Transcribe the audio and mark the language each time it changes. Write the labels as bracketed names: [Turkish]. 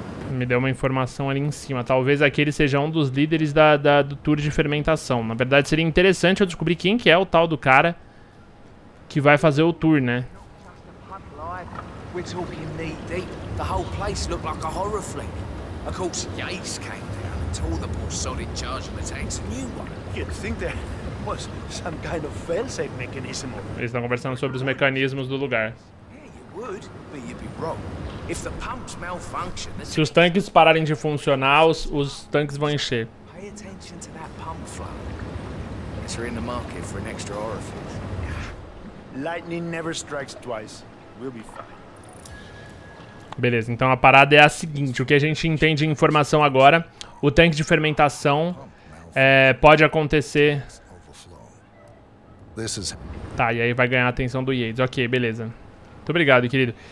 [Portuguese] Me deu uma informação ali em cima. Talvez aquele seja um dos líderes do tour de fermentação. Na verdade, seria interessante eu descobrir quem que é o tal do cara que vai fazer o tour, né? [English] We're talking knee-deep. The whole place looked like a horror flick. Of course, Yates came down and tore the poor sod in charge of the tanks a new one. You'd think there was some kind of fail-safe mechanism. [Portuguese] Eles estão conversando sobre os mecanismos do lugar. [English] Yeah, you would, but you'd be wrong. If the pumps malfunction, [Portuguese] se os tanques pararem de funcionar, os tanques vão encher. [English] Pay attention to that pump flow. Guess we're in the market for an extra horror flick. Lightning never strikes twice. We'll be fine. [Portuguese] Beleza, então a parada é a seguinte, o que a gente entende em informação agora, o tanque de fermentação pode acontecer... Tá, e aí vai ganhar a atenção do Yates, ok, beleza. Muito obrigado, querido.